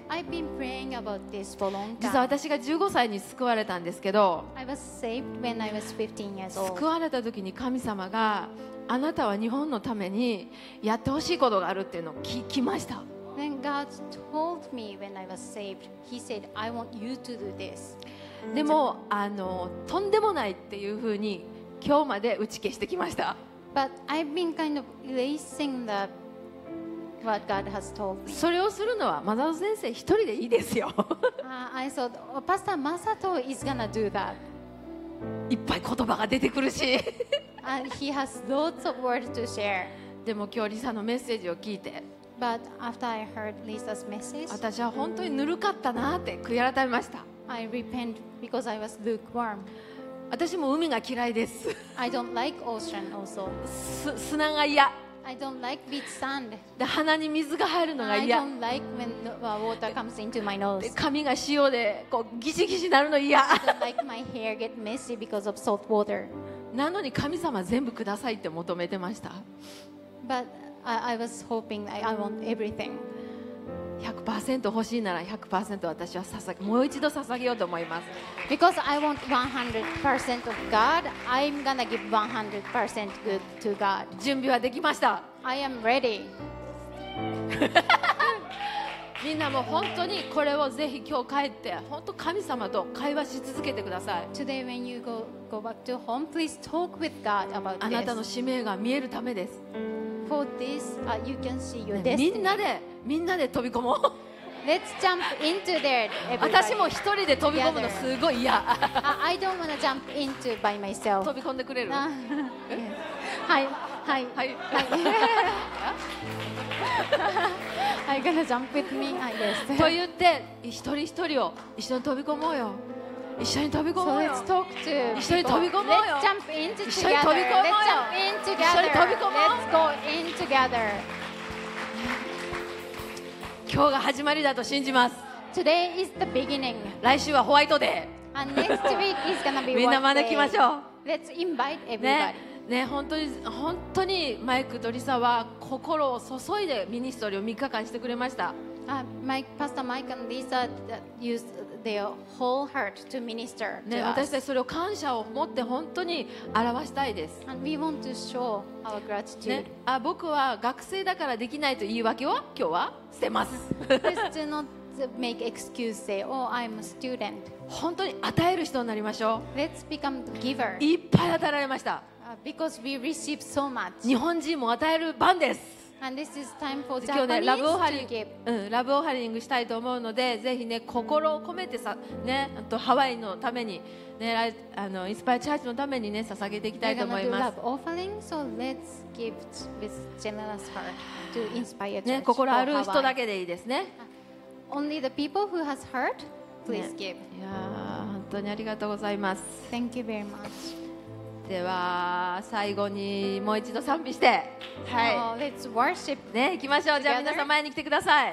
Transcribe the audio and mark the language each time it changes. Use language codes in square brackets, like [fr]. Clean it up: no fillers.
[en] I've been praying about this for a long time. [ja] 実は私が15歳に救われたんですけど、 [en] I was saved when I was 15 years old. [ja] 救われた時に神様があなたは日本のためにやってほしいことがあるっていうのを聞きました。 [en] Then God told me when I was saved. He said, I want you to do this. [ja] でもとんでもないっていうふうに今日まで打ち消してきました。 [en] But I've been kind of erasing theWhat God has told me. [ja] それをするのはマザーズ先生一人でいいですよ。 [en] I thought Pastor Masato is gonna do that. [ja] いっぱい言葉が出てくるし。 [en] And he has lots of words to share. [ja] でも今日リサのメッセージを聞いて、 [en] But after I heard Lisa's message, [ja] 私は本当にぬるかったなって悔い改めました。 [en] I repent because I was lukewarm. [ja] 私も海が嫌いです。 [en] I don't like ocean also. [ja] 砂が嫌。 [en] I don't like beach sand. [ja] で鼻に水が入るのが嫌。 [en] I don't like when water comes into my nose. [ja] 髪が塩でこうギシギシになるの嫌。 [en] I don't like my hair get messy because of salt water. [ja] なのに神様全部くださいって求めてました。 [en] But I was hoping I want everything. [ja] 100% 欲しいなら 100% 私は捧げ、もう一度捧げようと思います。 [en] Because I want 100% of God, I'm gonna give 100% good to God. [ja] 準備はできました。 [en] I am ready. [ja] みんなも本当にこれをぜひ今日帰って、本当神様と会話し続けてください。 [en] Today when you go back to home, please talk with God about this. [ja] あなたの使命が見えるためです。 [en] For this, you can see your destiny. [ja] みんなで。みんなで飛び込もう。 [en] Let's jump into there, everybody. [ja] 私も一人で飛び込むのすごい嫌。 [en] I don't wanna jump into by myself. [ja] 飛び込んでくれる？はいはいはい。 [en] はい、I'm gonna jump with me, I guess. [ja] と言って一人一人を一緒に飛び込もうよ。一緒に飛び込もうよ。 [en] So、let's talk to [ja] 一緒に飛び込もうよ。 [en] Let's jump in together. [ja] 一緒に飛び込もうよ。 [en] Let's jump in together. [ja] 一緒に飛び込もう。 [en] Let's go in together. [ja] 今日が始まりだと信じます。 [en] Today is the beginning. [ja] 来週はホワイトデー。 [en] And next week is gonna be [ja] みんな招きましょう。 [en] Let's invite everybody. [ja] ね、本当に本当にマイクとリサは心を注いでミニストリーを3日間してくれました。 [en] Pastor Mike and Lisa used their whole heart to minister to us. [ja] 私たちそれを感謝を持って本当に表したいです。 [en] And we want to show our gratitude.、ね、 [ja] あ、僕は学生だからできないという言い訳を今日は捨てます。 [en] Please do not make excuses. Say, oh, I'm a student. [ja] 本当に与える人になりましょう。 [en] Let's become giver. [ja] いっぱい与えられました。 [en] Because we receive so much. [ja] 日本人も与える番です。 [en] And this is time for Japanese [ja] 今日ね、ラブオハリング、ラブオハリングしたいと思うので、ぜひね、心を込めてさ、ね、あとハワイのために、ね、あのインスパイアチャーチのためにね、捧げていきたいと思います。 [en] We're gonna do love offering, so let's give with generous heart to inspire church. [ja] ね、心ある人だけでいいですね。 [en] Only the people who has heart, please give. [ja] いや、本当にありがとうございます。 [en] Thank you very much. [ja] では最後にもう一度賛美して、はい、 [en] oh, let's worship [ja] ね、行きましょう。じゃあ皆さん前に来てください。